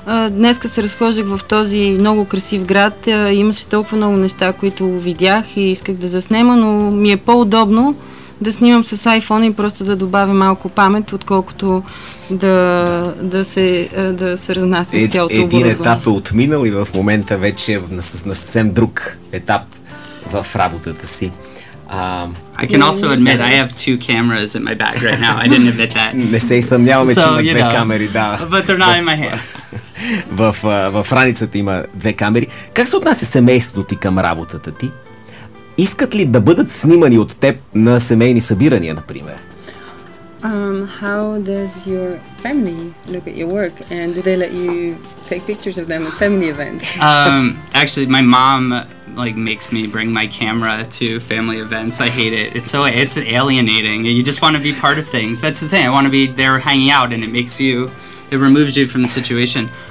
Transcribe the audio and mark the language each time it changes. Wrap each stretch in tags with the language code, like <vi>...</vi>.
<bg>Днеска се разхождах в този много красив град, имаше толкова много неща, които видях и исках да заснема, но ми е по-удобно да снимам с iPhone и просто да добавя малко памет, отколкото да се разнася с цялото оборудване. Един етап е отминал и в момента вече на съвсем друг етап в работата си.</bg> <en>I can also admit I have two cameras in my bag right now. I didn't admit that.</en> <bg>Не се съмняваме, че има две камери, да.</bg> <en>But they're not in my hand.</en> <bg>В раницата има две камери. Как се отнася семейството ти към работата ти? Искат ли да бъдат снимани от теб на семейни събирания, например?</bg> <en>How does your family look at your work and do they let you take pictures of them at family events? Actually, my mom like makes me bring my camera to family events. I hate it. It's alienating. You just want to be part of things. That's the thing. I want to be there hanging out and it removes you from the situation.</en>